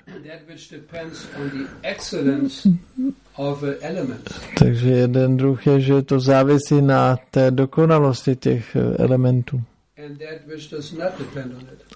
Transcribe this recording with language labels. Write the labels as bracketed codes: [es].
[en] That which depends on the excellence of elements. [cs] Takže jeden druh je, že to závisí na té dokonalosti těch elementů. [en] And that which does not depend on it.